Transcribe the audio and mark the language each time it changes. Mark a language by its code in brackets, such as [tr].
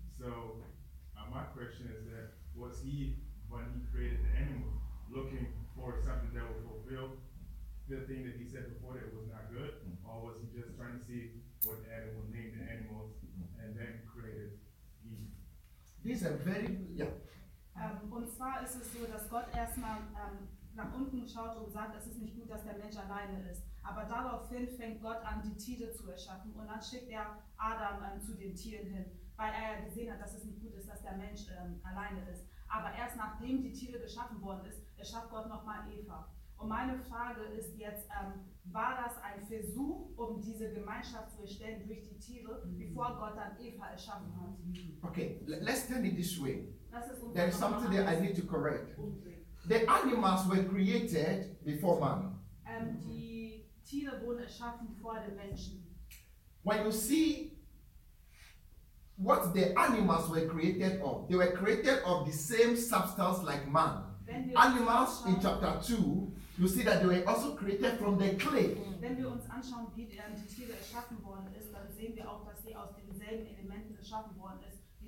[en] So, my question is that was He, when He created the animal, looking for something that would fulfill the thing that He said before that was not good? Mm-hmm. Or was He just trying to see what the animal named the animals and then created Eve? These are very, yeah. [de] Und zwar ist es so, dass Gott erstmal nach unten schaut und sagt, es ist nicht gut, dass der Mensch alleine ist. Aber daraufhin fängt Gott an, die Tiere zu erschaffen und dann schickt er Adam zu den Tieren hin, weil er ja gesehen hat, dass es nicht gut ist, dass der Mensch alleine ist. Aber erst nachdem die Tiere geschaffen worden ist, erschafft Gott nochmal Eva. Und meine Frage ist jetzt, war das ein Versuch, um diese Gemeinschaft zu erstellen durch die Tiere, bevor Gott dann Eva erschaffen hat? [en] Okay, let's turn it this way. There is something that I need to correct. The animals were created before man. When you see what the animals were created of, they were created of the same substance like man. Animals in chapter 2, you see that they were also created from the clay. [de] Wenn wir uns anschauen, wie die Tiere erschaffen worden ist, dann sehen wir auch, dass sie aus denselben Elementen erschaffen worden ist.